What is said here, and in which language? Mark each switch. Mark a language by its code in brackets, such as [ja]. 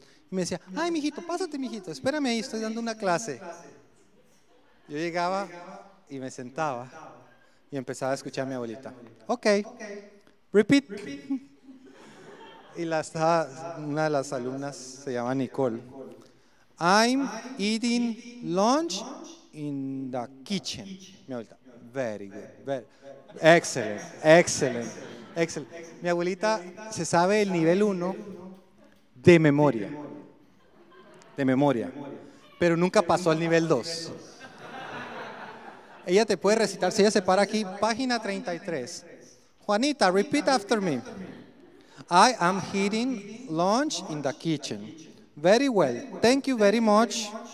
[es] Y me decía, ay, mijito, pásate, mijito, espérame ahí, estoy dando una clase. Yo llegaba y me sentaba y empezaba a escuchar a mi abuelita. [en] Ok, repeat. [es] Y una de las alumnas se llama Nicole. [en] I'm eating lunch in the kitchen. [es] Mi abuelita, [en] very good, excellent. [es] Mi abuelita se sabe el nivel 1 de memoria, pero nunca pasó al nivel 2. Ella te puede recitar, si ella se para aquí, página 33. [en] Juanita, repeat after me. I am eating lunch in the kitchen. Very well, thank you very much.